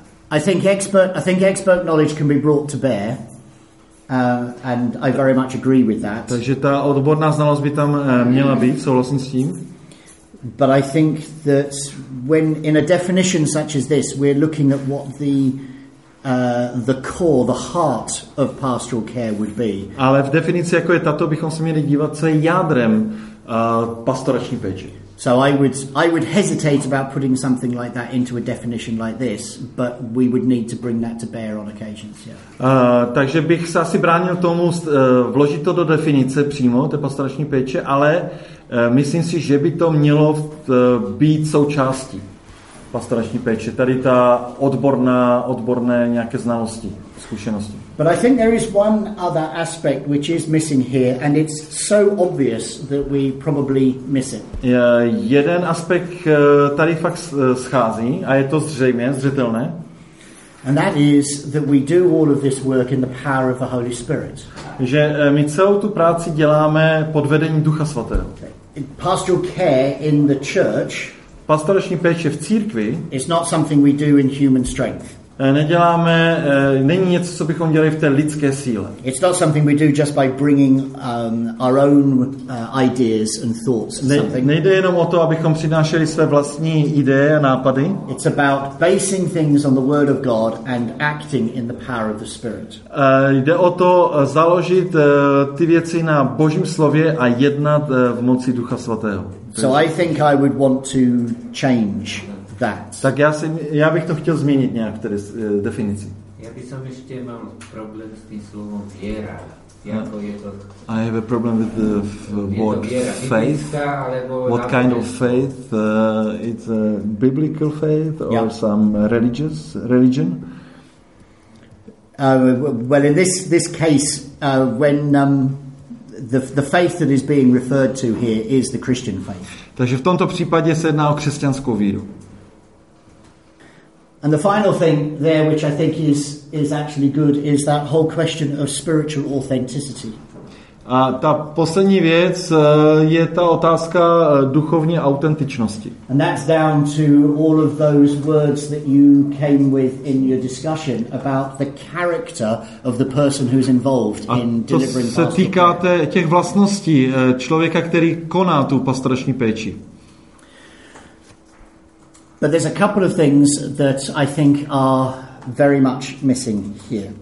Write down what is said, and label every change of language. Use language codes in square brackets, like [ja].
[en] I think expert knowledge can be brought to bear, and I very much agree with that. [cs] Takže ta odborná znalost by tam měla být, souhlasím s tím. [en] But I think that when in a definition such as this, we're looking at what the core, the heart of pastoral care would be. [cs] Ale v definici jako je tato, bychom se měli dívat, co je jádrem pastorační péče. [en] So I would hesitate about putting something like that into a definition like this, but we would need to bring that to bear on occasions. Yeah. [cs] Takže bych se asi bránil tomu vložit to do definice přímo, té pastorační péče, ale myslím si, že by to mělo být součástí pastorační péče, tady ta odborné nějaké znalosti, zkušenosti. [en] But I think there is one other aspect which is missing here and it's so obvious that we probably miss it. [cs] Jeden aspekt tady fakt schází a je to zřejmě, zřetelné. [en] And that is that we do all of this work in the power of the Holy Spirit. [cs] Že my celou tu práci děláme pod vedením Ducha Svatého. [en] Pastoral care in the church. [cs] Pastorační péče v církvi [en] is not something we do in human strength. [cs] neděláme, není něco, co bychom dělali v té lidské síle. [en] It's not something we do just by bringing our own ideas and thoughts. [cs] Nejde jenom o to, abychom přinášeli své vlastní ideje a nápady. [en] It's about basing things on the word of God and acting in the power of the Spirit. [cs] Jde o to založit ty věci na Božím slově a jednat v moci Ducha svatého. [en] So I think I would want to change. [cs] Tak já bych to chtěl změnit nějak tedy definici. Já bych sem ještě mám problém s tím slovem víra. Jako je to. [en] I have a problem with the word [cs] víra, [en] faith. What kind of faith? It's a biblical faith or yeah. Some religious religion? Well, in this case, when the faith that is being referred to here is the Christian faith. [cs] Takže v tomto případě se jedná o křesťanskou víru. [en] And the final thing there, which I think is actually good, is that whole question of spiritual authenticity. [cs] A ta poslední věc je ta otázka duchovní autentičnosti. [en] And that's down to all of those words that you came with in your discussion about the character of the person who's involved in delivering. [cs] A to se týká těch vlastností člověka, který koná tu pastorační péči. [en] But there's a couple of things that I think are very much missing here.